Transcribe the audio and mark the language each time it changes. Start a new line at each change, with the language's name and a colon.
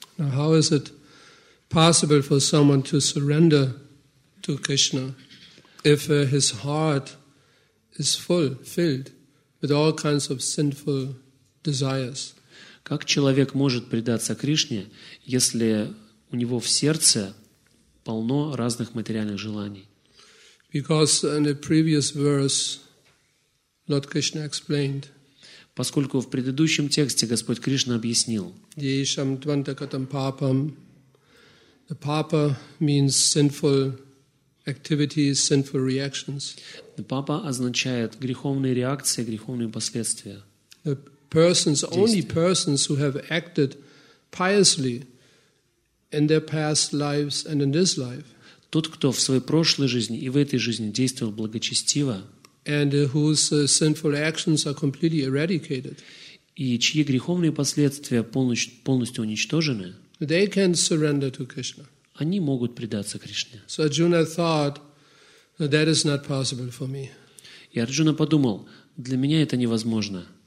English: How is it possible for someone to surrender to Krishna if his heart is filled with all kinds of sinful desires?
Russian: Как человек может предаться Кришне, если у него в сердце полно разных материальных желаний?
English: Because in the previous verse Lord Krishna explained.
Russian: Поскольку в предыдущем тексте Господь Кришна объяснил.
Sanskrit: Yesham dvantakatam papam.
English: The papa means sinful activities, sinful reactions. The papa
Russian: означает греховные реакции, греховные последствия.
English: The persons, only persons who have acted piously in their past lives and in this life.
Russian: Тот, кто в своей прошлой жизни и в этой жизни действовал благочестиво.
English: And whose sinful actions are completely eradicated.
Russian: И чьи греховные последствия полностью уничтожены.
English: They can surrender to Krishna.
Russian: Они могут предаться Кришне.
English: So Arjuna thought, that is not possible for me.
Russian: И Арджуна подумал, для меня это невозможно.